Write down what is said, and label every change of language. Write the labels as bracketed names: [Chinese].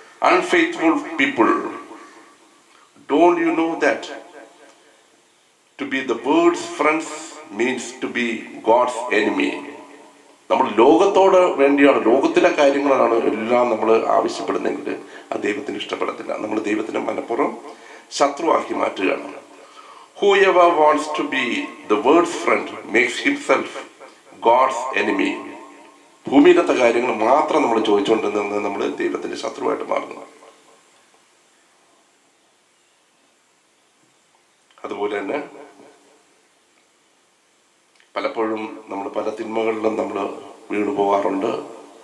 [English] Unfaithful people, don't you know that to be the world's friends means to be God's enemy. [Malayalam] നമ്മൾ ലോകത്തോട് വേണ്ടിയാണ്, ലോകത്തിലെ കാര്യങ്ങളാണ് എല്ലാം നമ്മൾ ആവശ്യപ്പെടുന്നെങ്കിൽ അത് ദൈവത്തിന് ഇഷ്ടപ്പെടത്തില്ല. നമ്മൾ ദൈവത്തിന് മനഃപൂർവ്വം ശത്രുവാക്കി മാറ്റുകയാണ്. [English] Whoever wants to be the world's friend makes himself God's enemy. [Malayalam] ഭൂമിയിലത്തെ കാര്യങ്ങൾ മാത്രം നമ്മൾ ചോദിച്ചുകൊണ്ടിരുന്ന നമ്മൾ ദൈവത്തിന്റെ ശത്രുവായിട്ട് മാറുന്നു. അതുപോലെ തന്നെ പലപ്പോഴും നമ്മൾ പല തിന്മകളിലും നമ്മൾ വീണു പോകാറുണ്ട്.